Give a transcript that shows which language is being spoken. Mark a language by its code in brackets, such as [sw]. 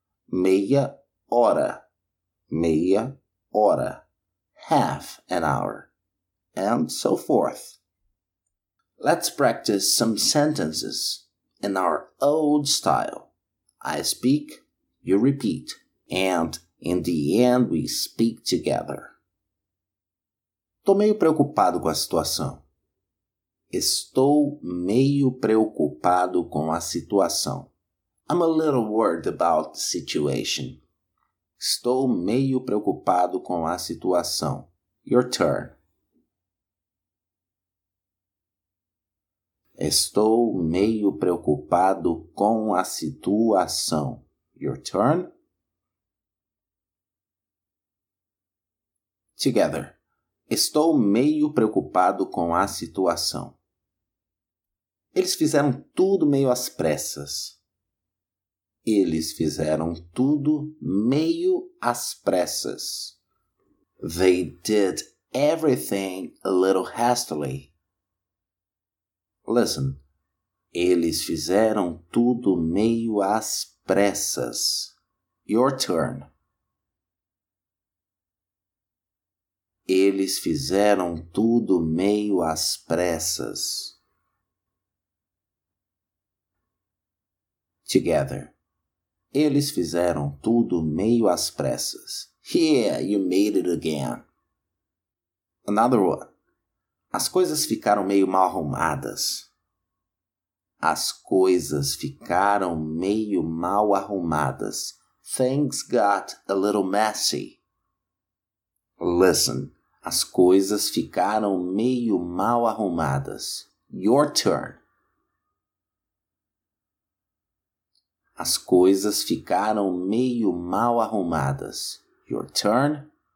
[pt] Meia hora, meia hora, [en] half an hour, and so forth. Let's practice some sentences in our old style. I speak, you repeat, and in the end we speak together. [pt] Tô meio preocupado com a situação. Estou meio preocupado com a situação. [en] I'm a little worried about the situation. [pt] Estou meio preocupado com a situação. [en] Your turn. [pt] Estou meio preocupado com a situação. [en] Your turn. Together. [pt] Estou meio preocupado com a situação. Eles fizeram tudo meio às pressas. Eles fizeram tudo meio às pressas. [en] They did everything a little hastily. Listen. [pt] Eles fizeram tudo meio às pressas. [en] Your turn. [pt] Eles fizeram tudo meio às pressas. [en] Together. [pt] Eles fizeram tudo meio às pressas. [en] Yeah, you made it again. Another one. [pt] As coisas ficaram meio mal arrumadas. As coisas ficaram meio mal arrumadas. [en] Things got a little messy. Listen. [pt] As coisas ficaram meio mal arrumadas. [en] Your turn. [pt] As coisas ficaram meio mal arrumadas. [en] Your turn.